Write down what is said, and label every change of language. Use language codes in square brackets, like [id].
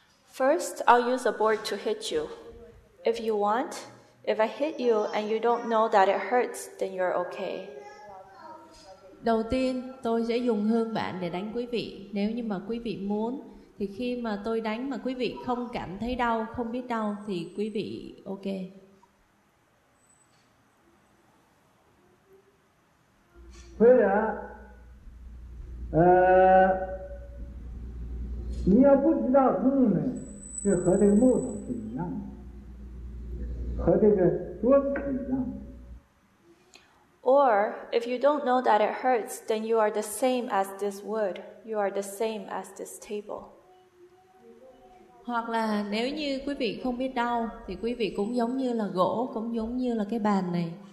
[en] First, I'll use a board to hit you. If you want, if I hit you and you don't know that it hurts, then you're okay. [vi] Đầu tiên, tôi sẽ dùng hương bạn để đánh quý vị. Nếu như mà quý vị muốn, thì khi mà tôi đánh mà quý vị không cảm thấy đau, không biết đau, thì quý vị ok. [en] Or, if you don't know that it hurts, then you are the same as this wood. You are the same as this table. [vi] Hoặc là nếu như quý vị không biết đau, thì quý vị cũng giống như là gỗ, cũng giống như là cái bàn này.